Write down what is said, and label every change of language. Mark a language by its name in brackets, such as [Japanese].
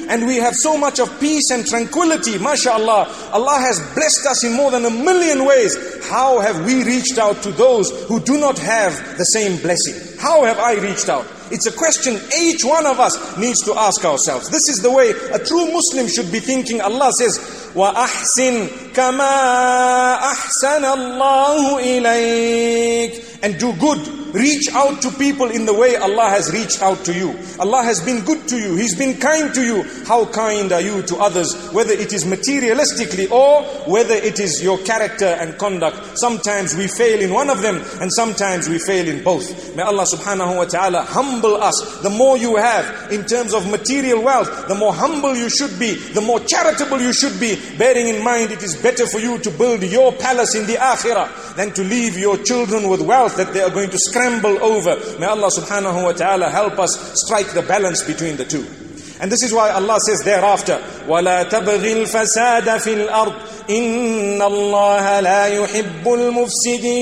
[English] And we have so much of peace and tranquility, mashallah. Allah has blessed us in more than a million ways. How have we reached out to those who do not have the same blessing? How have I reached out? It's a question each one of us needs to ask ourselves. This is the way a true Muslim should be thinking. Allah says, [Arabic] وَأَحْسِنْ كَمَا أَحْسَنَ اللَّهُ إِلَيْكَ. [English] And do good. Reach out to people in the way Allah has reached out to you. Allah has been good to you. He's been kind to you. How kind are you to others? Whether it is materialistically or whether it is your character and conduct. Sometimes we fail in one of them and sometimes we fail in both. May Allah subhanahu wa ta'ala humble us. The more you have in terms of material wealth, the more humble you should be, the more charitable you should be. Bearing in mind it is better for you to build your palace in the akhirah than to leave your children with wealth that they are going to scramble over. May Allah subhanahu wa ta'ala help us strike the balance between the two. And this is why Allah says thereafter, [Arabic] وَلَا تَبْغِي الْفَسَادَ فِي الْأَرْضِ إِنَّ اللَّهَ لَا يُحِبُّ الْمُفْسِدِينَ.